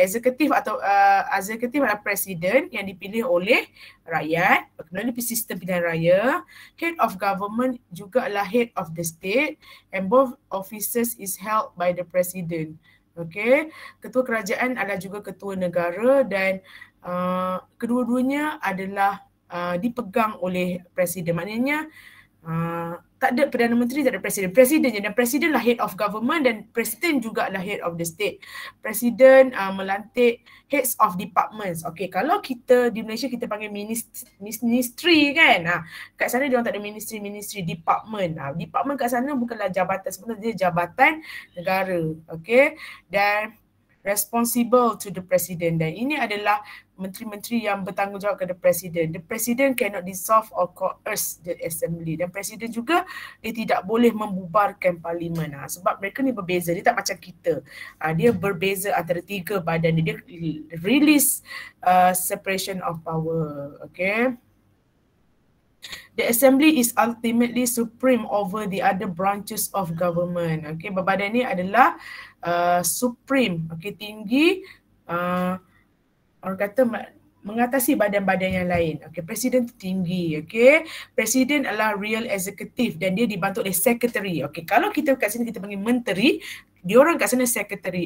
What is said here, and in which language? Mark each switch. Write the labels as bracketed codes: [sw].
[ms] Eksekutif atau eksekutif adalah presiden yang dipilih oleh rakyat melalui sistem pilihan raya. [en] Head of government juga adalah head of the state, and both offices is held by the president. Okay. [ms] Ketua kerajaan adalah juga ketua negara, dan kedua-duanya adalah dipegang oleh presiden. Maknanya tak ada Perdana Menteri, tak ada presiden. Presiden je, dan presiden lah head of government, dan presiden juga lah head of the state. Presiden melantik heads of departments. Okay, kalau kita di Malaysia kita panggil ministry kan. Kat sana dia orang tak ada ministry, department. Department kat sana bukanlah jabatan, sebenarnya jabatan negara. Okay, dan [en] responsible to the president, [ms] dan ini adalah menteri-menteri yang bertanggungjawab kepada presiden. [en] The president cannot dissolve or coerce the assembly, [ms] dan presiden juga dia tidak boleh membubarkan parlimen. Sebab mereka ni berbeza, dia tak macam kita. Dia berbeza antara tiga badan ni. Dia release separation of power. Okay. [en] The assembly is ultimately supreme over the other branches of government. [ms] Okay, badan ni adalah supreme, okay, tinggi, orang kata mengatasi badan-badan yang lain. Okay, presiden tu tinggi, okay. Presiden adalah real executive dan dia dibantu oleh secretary. Okay, kalau kita kat sini kita panggil menteri, dia orang kat sana secretary.